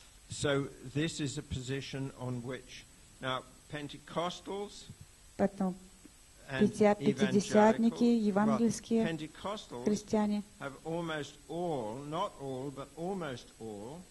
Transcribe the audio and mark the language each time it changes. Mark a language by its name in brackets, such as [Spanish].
[English] So this is a position on which now Pentecostals, [Russian] потом пятидесятники, евангельские христиане, [English] have almost all, not all, but almost all,